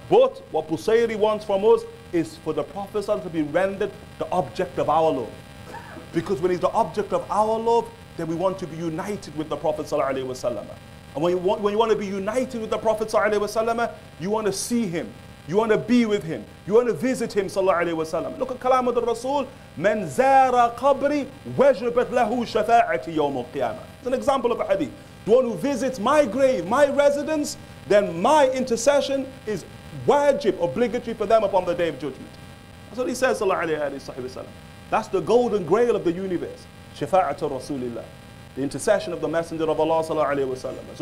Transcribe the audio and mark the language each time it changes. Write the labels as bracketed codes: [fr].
[en] But what Busiri wants from us is for the Prophet sallallahu alayhi wa sallam to be rendered the object of our love. Because when he's the object of our love, then we want to be united with the Prophet Sallallahu Alaihi Wasallam. And when you want to be united with the Prophet Sallallahu Alaihi Wasallam, you want to see him, you want to be with him, you want to visit him Sallallahu Alaihi Wasallam. Look at Kalam of the Rasul, [ar] من زار قبري وجبت له شفاعة يوم القيامة. [en] It's an example of a hadith. The one who visits my grave, my residence, then my intercession is wajib, obligatory for them upon the Day of Judgment. That's what he says Sallallahu Alaihi Wasallam. That's the golden grail of the universe. Shafa'at al-Rasulillah, the intercession of the Messenger of Allah sallallahu alayhi wa sallam.